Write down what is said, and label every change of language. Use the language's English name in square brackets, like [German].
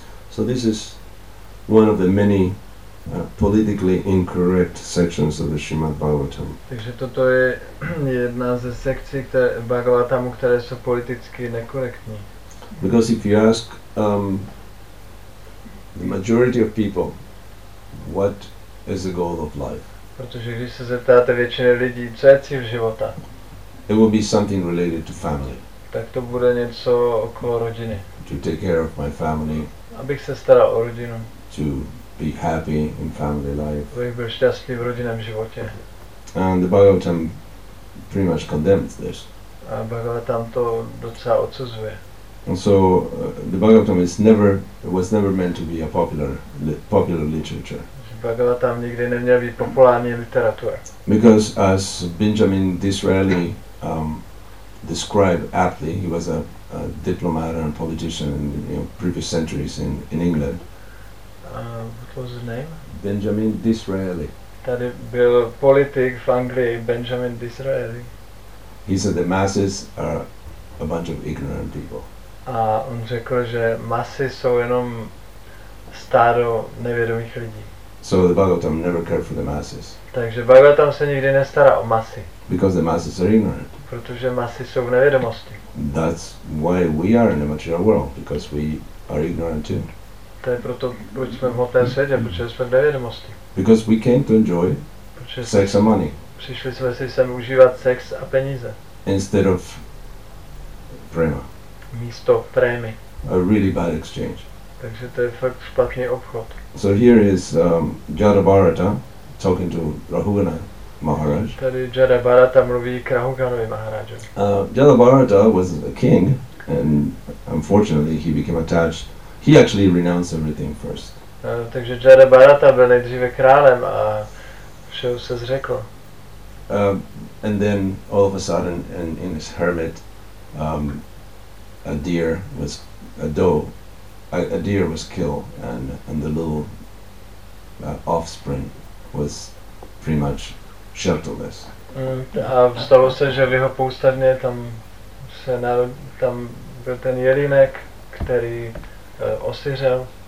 [English] So this is one of the many politically incorrect sections of the Srimad Bhagavatam. [Czech] Takže toto je jedna ze sekcí, které Bhagavatamu, které jsou politicky nekorektní. [English] Because if you ask the majority of people, what is the goal of life? [Czech] Protože když se zeptáte většiny lidí, co je cíl života? [English] It will be something related to family. [Czech] Tak to bude něco okolo rodiny. [English] To take care of my family. [Czech] Abych se staral o rodinu. [English] To be happy in family life. [Czech] Abych byl šťastný v rodinném životě. [English] And the Bhagavatam pretty much condemns this. [Czech] A Bhagavatam to docela odsuzuje. [English] And so the Bhagavatam was never meant to be a popular literature. [Czech] Bhagavatam nikdy neměl být populární literatura. [English] Because as Benjamin Disraeli described aptly, he was a diplomat and a politician in previous centuries in England. What was his name? Benjamin Disraeli. [Czech] Tady byl politik v Anglii, Benjamin Disraeli. [English] He said the masses are a bunch of ignorant people. [Czech] A on řekl, že masy jsou jenom stádo nevědomých lidí. [English] So the Bhagavatam never cared for the masses. [Czech] Takže Bhagavatam se nikdy nestará o masy. [English] Because the masses are ignorant. [Czech] Protože masy jsou v nevědomosti. [English] That's why we are in the material world, because we are ignorant too. [Czech] To je proto, proč jsme v hmotném světě, protože jsme v nevědomosti. [English] Because we came to enjoy sex and money. [Czech] Přišli jsme si sem užívat sex a peníze. [English] Instead of prema. [Czech] Místo prémy. [English] A really bad exchange. [Czech] Takže to je fakt špatný obchod. [English] So here is Jada Bharata talking to Rahugana Maharaj. [Czech] Tady Jada Bharata mluví k Rahuganovi Maharaju. [English] Jada Bharata was a king and unfortunately he became attached. He actually renounced everything first. [Czech] Takže Jada Bharata byl nejdříve králem a všeho se zřekl. [English] And then all of a sudden in his hermit a deer was killed and the little offspring was pretty much shelterless. [Czech] A stalo se, že v jeho poustevně tam se tam byl ten jelínek, který osiřel.